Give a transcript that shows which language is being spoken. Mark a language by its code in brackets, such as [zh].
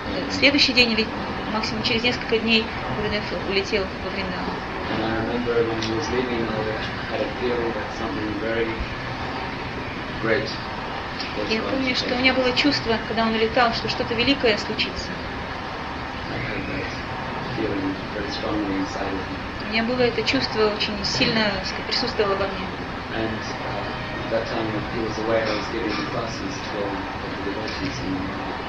[ru] Следующий день, максимум через несколько дней Гурудев улетел во Вриндаван. [en] And I remember when he was leaving, I had a feeling that something very great was going to happen. [ru] Я помню, что у меня было чувство, когда он улетал, что что-то великое случится. [en] I had that feeling very strongly inside of me. [ru] У меня было это чувство очень сильно присутствовало во мне. [en] And that time when he was away, I was giving the classes to all the devotees in the world.